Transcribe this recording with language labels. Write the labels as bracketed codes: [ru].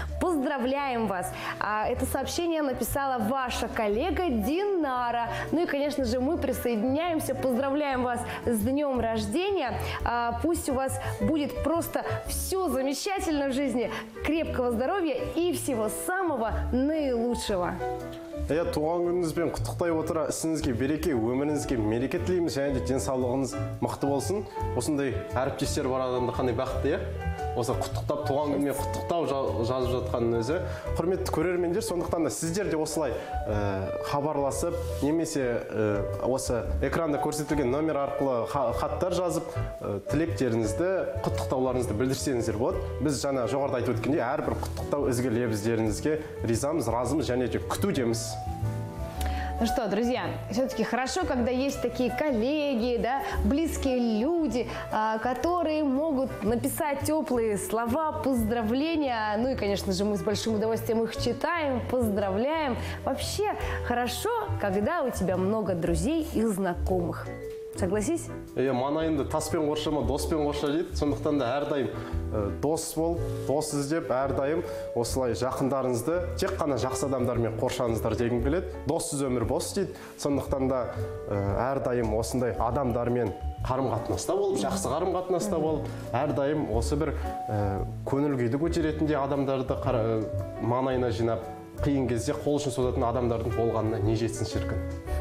[ru] Поздравляем вас. Это сообщение написала ваша коллега Динара. Ну и, конечно же, мы присоединяемся. Поздравляем вас с днем рождения. Пусть у вас будет просто все замечательно в жизни. Крепкого здоровья и всего самого наилучшего. [kk] Я туған күніңізбен құттықтай отыра, ісіңізге береке, өміріңізге мереке тілейміз, және де денсаулығыңыз мықты болсын. Осындай әріптестер бар адамды қандай бақытты, иә? Осы құттықтап, туған күнімен құттықтау жазып жатқанның өзі. Құрметті көрермендер, сондықтан да сіздер де осылай хабарласып, немесе осы экранда көрсетілген номер арқылы хаттар жазып, тілектеріңізді, құттықтауларыңызды білдірсеңіздер болады. Біз жаңа жоғарыда айтып өткендей, әрбір құттықтау ізгі лебіздеріңізге ризамыз, разымыз, және де күтудеміз. [ru] Ну что, друзья, все-таки хорошо, когда есть такие коллеги, да, близкие люди, которые могут написать теплые слова, поздравления. Ну и, конечно же, мы с большим удовольствием их читаем, поздравляем. Вообще хорошо, когда у тебя много друзей и знакомых. Согласись? [kk] Я манайымды таспен қоршама, доспен қорша дейді. Сондықтан да әрдайым дос бол, дос іздеп, әрдайым осылай жақындарыңызды тек қана жақсы адамдармен қоршаңыздар дегім келеді. Доссыз өмір бос дейді. Сондықтан да әрдайым осындай адамдармен қарым қатынаста болып, жақсы қарым қатынаста болып, әрдайым осы бір көңіл күйді көтеретіндей адамдарды маңайына жинап, қиын кезде қол ұшын созатын адамдардың болғанына не жетсін шіркін.